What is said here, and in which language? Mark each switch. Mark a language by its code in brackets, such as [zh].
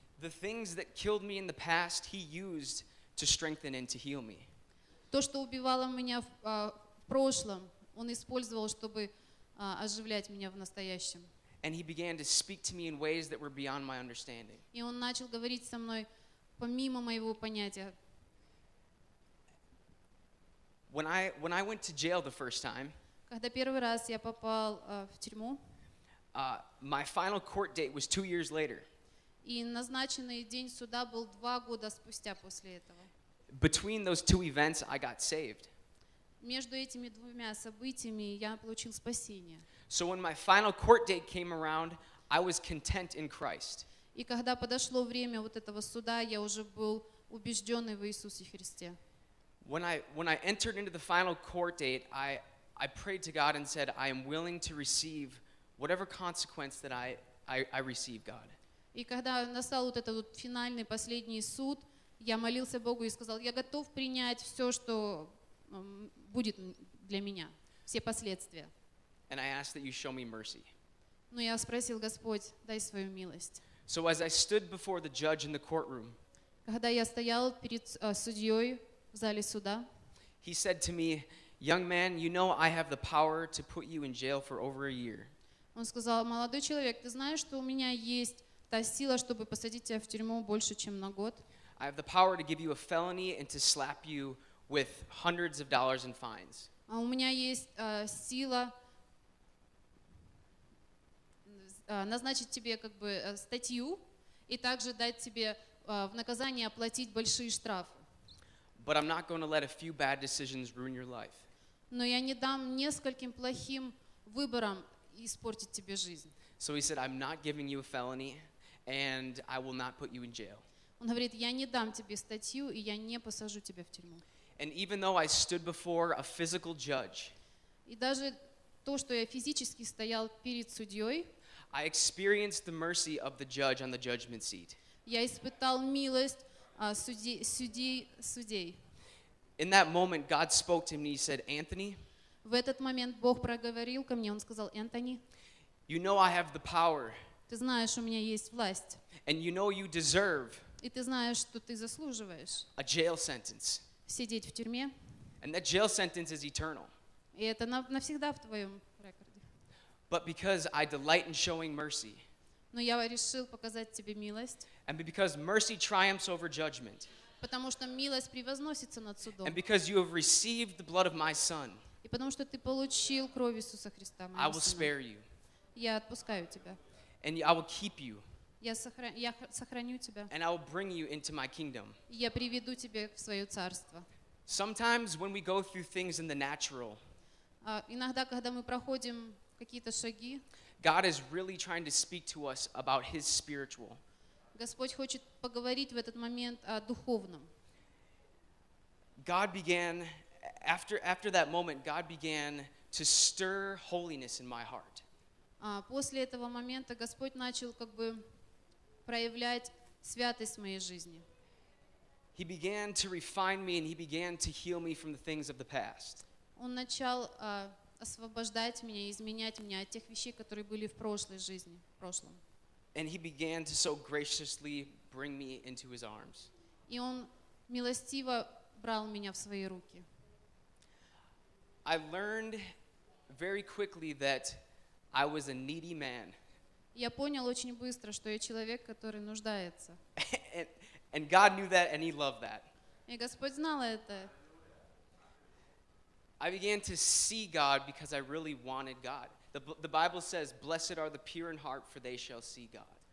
[en] The things that killed me in the past, he used to strengthen and to heal me. [ru] То, что убивало меня в прошлом, он использовал, чтобы оживлять меня в настоящем. [en] And he began to speak to me in ways that were beyond my understanding. [ru] И он начал говорить со мной помимо моего понятия. [en] When I went to jail the first time, [ru] когда первый раз я попал в тюрьму, [en] my final court date was 2 years later. [ru] И назначенный день суда был 2 года спустя после этого. [en] Between those two events, I got saved. [ru] Между этими двумя событиями я получил спасение. [en] So when my final court date came around, I was content in Christ. [ru] И когда подошло время вот этого суда, я уже был убежденный в Иисусе Христе. [en] When I entered into the final court date, I prayed to God and said, I am willing to receive whatever consequence that I receive, God. [ru] И когда настал вот этот финальный, последний суд, я молился Богу и сказал, я готов принять все, что будет для меня, все последствия. [en] And I asked that you show me mercy. [ru] Но я спросил, Господь, дай свою милость. [en] So as I stood before the judge in the courtroom, [ru] когда я стоял перед судьей в зале суда, [en] he said to me, young man, you know I have the power to put you in jail for over a year. [ru] Он сказал, молодой человек, ты знаешь, что у меня есть та сила, чтобы посадить тебя в тюрьму больше, чем на год. [en] I have the power to give you a felony and to slap you with hundreds of dollars in fines. [ru] А у меня есть сила назначить тебе как бы статью и также дать тебе в наказание оплатить большие штрафы. [en] But I'm not going to let a few bad decisions ruin your life. [ru] Но я не дам нескольким плохим выборам испортить тебе жизнь. [en] So he said, I'm not giving you a felony and I will not put you in jail. [ru] Он говорит, я не дам тебе статью, и я не посажу тебя в тюрьму. [en] And even though I stood before a physical judge, [ru] и даже то, что я физически стоял перед судьей, [en] I experienced the mercy of the judge on the judgment seat. [ru] Я испытал милость судей. [en] In that moment, God spoke to me, he said, Anthony, [ru] в этот момент Бог проговорил ко мне, он сказал, Anthony, [en] you know I have the power, [ru] ты знаешь, у меня есть власть, [en] and you know you deserve, [ru] и ты знаешь, что ты заслуживаешь [en] a jail sentence. [ru] Сидеть в тюрьме. [en] And that jail sentence is eternal. [ru] И это навсегда в твоем рекорде. [en] But because I delight in showing mercy. [ru] Но я решил показать тебе милость. [en] And because mercy triumphs over judgment. [ru] Потому что милость превозносится над судом. [en] And because you have received the blood of my son. [ru] И потому что ты получил кровь Иисуса Христа, моего [en] I will [ru] сына. [en] Spare you. [ru] Я отпускаю тебя. [en] And I will keep you. [ru] Я сохраню тебя. [en] And I will bring you into my kingdom. [ru] Я приведу тебя в свое царство. [en] Sometimes when we go through things in the natural, [ru] иногда, когда мы проходим какие-то шаги, [en] God is really trying to speak to us about his spiritual. [ru] Господь хочет поговорить в этот момент о духовном. [en] God began, after that moment, God began to stir holiness in my heart. [ru] После этого момента Господь начал как бы проявлять святость в моей жизни. [en] He began to refine me and he began to heal me from the things of the past. [ru] Он начал освобождать меня, изменять меня от тех вещей, которые были в прошлой жизни, в прошлом. [en] And he began to so graciously bring me into his arms. [ru] И он милостиво брал меня в свои руки. [en] I learned very quickly that I was a needy man. [ru] Я понял очень быстро, что я человек, который нуждается. [en] And God knew that and he loved that. [ru] И Господь знал это. [en] I began to see God because I really wanted God. The Bible says, blessed are the pure in heart, for they shall see God.